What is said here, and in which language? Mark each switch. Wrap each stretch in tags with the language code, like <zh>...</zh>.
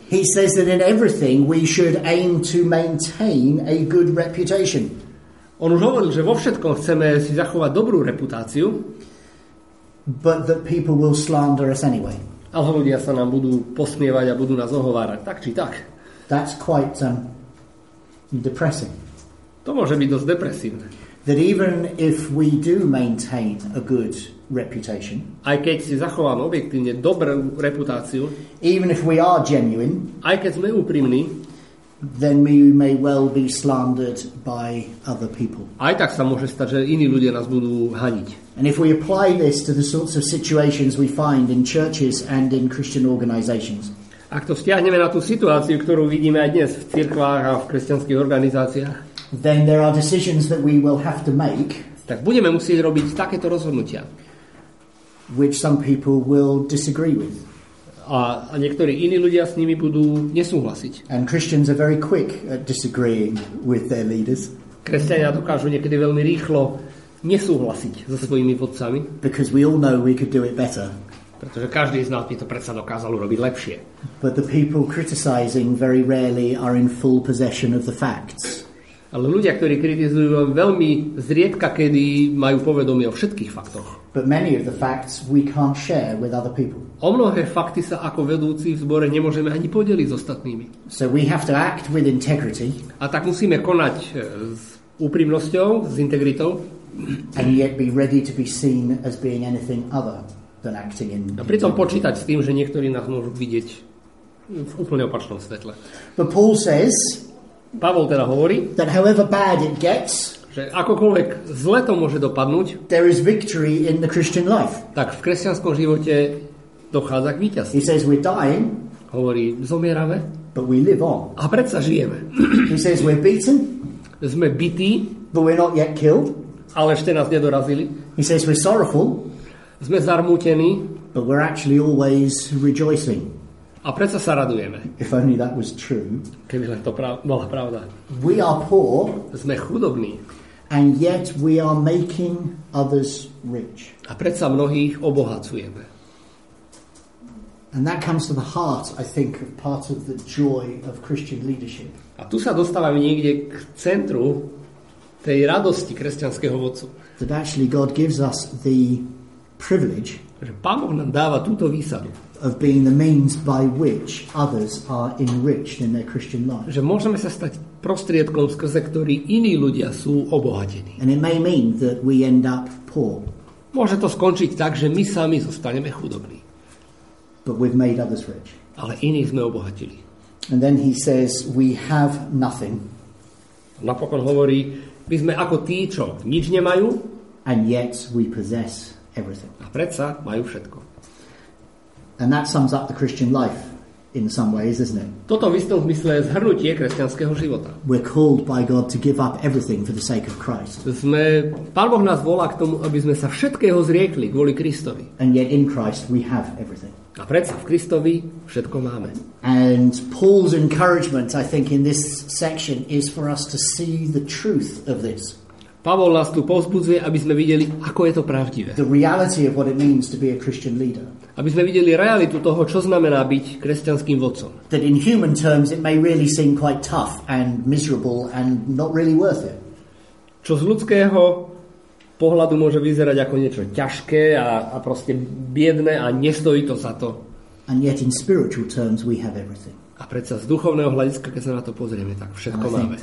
<en>He says that in everything we should aim to maintain a good reputation.</en> <sk>On už hovoril, že vo všetkom chceme si zachovať dobrú reputáciu.</sk> <en>But that people will slander us anyway.</en> <sk>Ale ľudia sa nám budú posmievať a budú nás ohovárať, tak či tak.</sk> <en>That's quite depressing.</en> <sk>To môže byť dosť depresívne.</sk> <en>That even if we do maintain a good reputation,</en> <sk>aj keď si zachováme objektívne dobrú reputáciu,</sk> <en>even if we are genuine,</en> <sk>aj keď sme úprimní,</sk> <en>then we may well be slandered by other people.</en> <sk>Aj tak sa môže stať, že iní ľudia nás budú haniť.</sk> <en>And if we apply this to the sorts of situations we find in churches and in Christian organizations.</en> <sk>Ak to stiahneme na tú situáciu, ktorú vidíme aj dnes v cirkvách a v kresťanských organizáciách,</sk> <en>then there are decisions that we will have to make.</en> <sk>Tak budeme musieť robiť takéto rozhodnutia,</sk> <en>which some people will disagree with.</en> <sk>A niektorí iní ľudia s nimi budú nesúhlasiť.</sk> <en>And Christians are very quick at disagreeing with their leaders.</en> <sk>Kresťania dokážu niekedy veľmi rýchlo nesúhlasiť so svojimi vodcami.</sk> <en>Because we all know we could do it better.</en> <sk>Pretože každý z nás by to predsa dokázal urobiť lepšie.</sk> <en>But the people criticizing very rarely are in full possession of the facts.</en> <sk>Ale ľudia, ktorí kritizujú, veľmi zriedka kedy majú povedomie o všetkých faktoch.</sk> <en>But many of the facts we can't share with other people.</en> <sk>O mnohé fakty sa ako vedúci v zbore nemôžeme ani podeliť s ostatnými.</sk> <en>So we have to act with integrity.</en> <sk>A tak musíme konať s úprimnosťou, s integritou.</sk> <en>And yet be ready to be seen as being anything other than acting in.</en> <sk>A pritom počítať s tým, že niektorí nás môžu vidieť v úplne opačnom svetle.</sk> <en>But Paul says,</en> <sk>Pavol teda hovorí,</sk> <en>that however bad it gets,</en> <sk>že akokoľvek zle to môže dopadnúť,</sk> <en>there is victory in the Christian life.</en> <sk>Tak v kresťanskom živote dochádza k víťazstvu.</sk> <en>He says we're dying,</en> <sk>hovorí, zomierame,</sk> <en>but we live on.</en> <sk>A predsa žijeme.</sk> <en>He says we're beaten,</en> <sk>sme bití,</sk> <en>but we're not yet killed.</en> <sk>Ale ešte nás nedorazili.</sk> <en>He says we're sorrowful,</en> <sk>sme zarmútení,</sk> <en>but we're actually always rejoicing.</en> <sk>A predsa sa radujeme.</sk> <en>If only that was true.</en> <sk>Keby len to bola pravda.</sk> <en>We are poor.</en> <sk>Sme chudobní.</sk> <en>And yet we are making others rich.</en> <sk>A predsa mnohých obohacujeme.</sk> <en>And that comes to the heart, I think, of part of the joy of Christian leadership.</en> <sk>A tu sa dostávame niekde k centru tej radosti kresťanského vodcu.</sk> <en>That actually God gives us the privilege.</en> <sk>Že Pán Boh nám dáva túto výsadu.</sk> <en>Of being the means by which others are enriched in their Christian life.</en> <sk>Že môžeme sa stať prostriedkom, skrze ktorý iní ľudia sú obohatení.</sk> <en>And it may mean that we end up poor.</en> <sk>Môže to skončiť tak, že my sami zostaneme chudobní.</sk> <en>But we've made others rich.</en> <sk>Ale iných sme obohatili.</sk> <en>And then he says, we have nothing.</en> <sk>Napokon hovorí, my sme ako tí, čo nič nemajú.</sk> <en>And yet we possess everything.</en> <sk>A predsa majú všetko.</sk> <en>And that sums up the Christian life in some ways, isn't it?</en> <sk>Toto v istom zmysle je zhrnutie kresťanského života.</sk> <en>We're called by God to give up everything for the sake of Christ.</en> <sk>Pán Boh nás volá k tomu, aby sme sa všetkého zriekli kvôli Kristovi.</sk> <en>And yet in Christ we have everything.</en> <sk>A predsa v Kristovi všetko máme.</sk> <en>And Paul's encouragement, I think, in this section is for us to see the truth of this.</en> <sk>Pavol nás tu povzbudzuje, aby sme videli, ako je to pravdivé.</sk> <en>The reality of what it means to be a Christian leader.</en> <sk>Aby sme videli realitu toho, čo znamená byť kresťanským vodcom.</sk> <en>That in human terms it may really seem quite tough and miserable and not really worth it.</en> <sk>Čo z ľudského pohľadu môže vyzerať ako niečo ťažké a proste biedné a nestojí to za to.</sk> <en>And yet in spiritual terms we have everything.</en> <sk>A predsa z duchovného hľadiska, keď sa na to pozrieme, tak všetko máme.</sk>